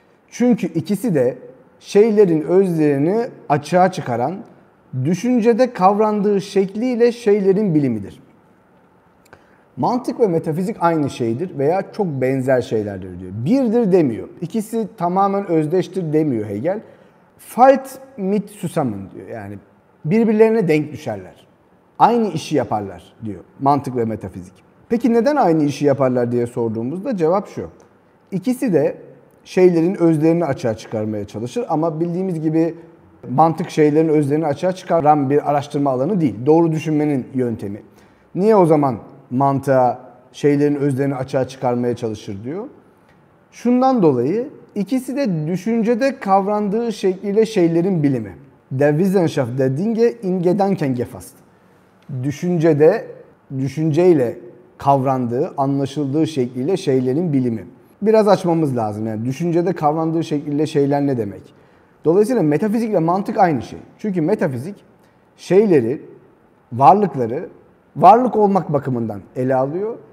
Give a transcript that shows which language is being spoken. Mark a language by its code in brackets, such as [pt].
[tr] Çünkü ikisi de şeylerin özlerini açığa çıkaran, düşüncede kavrandığı şekliyle şeylerin bilimidir. Mantık ve metafizik aynı şeydir veya çok benzer şeylerdir diyor. Birdir demiyor. İkisi tamamen özdeştir demiyor Hegel. [de] Falt mit zusammen [tr] diyor. Yani birbirlerine denk düşerler. Aynı işi yaparlar diyor mantık ve metafizik. Peki neden aynı işi yaparlar diye sorduğumuzda cevap şu. İkisi de şeylerin özlerini açığa çıkarmaya çalışır ama bildiğimiz gibi mantık şeylerin özlerini açığa çıkaran bir araştırma alanı değil. Doğru düşünmenin yöntemi. Niye o zaman mantığa şeylerin özlerini açığa çıkarmaya çalışır diyor. Şundan dolayı ikisi de düşüncede kavrandığı şekliyle şeylerin bilimi. [de] Der Wissenschaft der Dinge in Gedanken gefasst. [tr] Düşüncede, düşünceyle kavrandığı, anlaşıldığı şekliyle şeylerin bilimi. Biraz açmamız lazım. Yani düşüncede kavrandığı şekilde şeyler ne demek? Dolayısıyla metafizikle mantık aynı şey. Çünkü metafizik şeyleri, varlıkları varlık olmak bakımından ele alıyor.